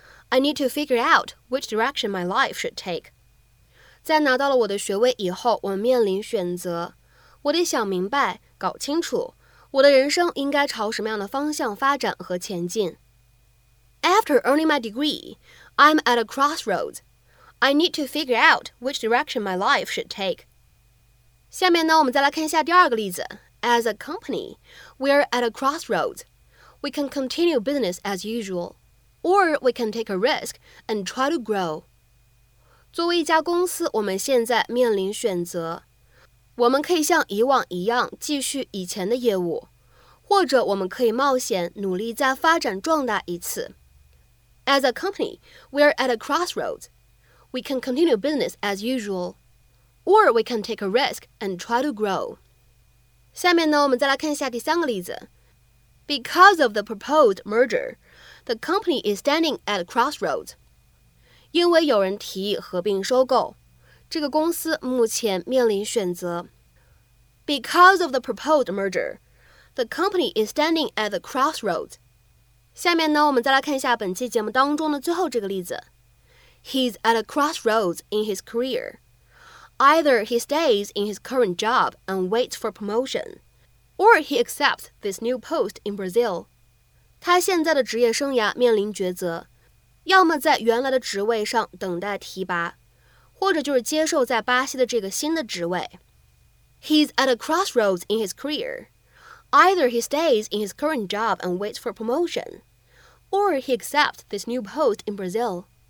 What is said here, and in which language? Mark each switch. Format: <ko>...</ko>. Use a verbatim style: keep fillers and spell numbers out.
<en>I need to figure out which direction my life should take.</en> <zh>在拿到了我的学位以后，我面临选择，我得想明白，搞清楚我的人生应该朝什么样的方向发展和前进。</zh> <en>After earning my degree, I'm at a crossroads. I need to figure out which direction my life should take.</en> <zh>下面呢，我们再来看一下第二个例子。</zh> <en>As a company, we're at a crossroads. We can continue business as usual, or we can take a risk and try to grow.</en> <zh>作为一家公司，我们现在面临选择。我们可以像以往一样继续以前的业务，或者我们可以冒险努力再发展壮大一次。</zh> <en>As a company, we're at a crossroads. We can continue business as usual, or we can take a risk and try to grow.</en> <zh>下面呢，我们再来看一下第三个例子。</zh> <en>Because of the proposed merger, the company is standing at a crossroads.</en> <zh>因为有人提议合并收购，这个公司目前面临选择。</zh> <en>Because of the proposed merger, the company is standing at the crossroads.</en> <zh>下面呢，我们再来看一下本期节目当中的最后这个例子。</zh> <en>He's at a crossroads in his career. Either he stays in his current job and waits for promotion, or he accepts this new post in Brazil.</en> <zh>他现在的职业生涯面临抉择，要么在原来的职位上等待提拔，或者就是接受在巴西的这个新的职位。</zh> <en>He's at a crossroads in his career. Either he stays in his current job and waits for promotion, or he accepts this new post in Brazil.</en>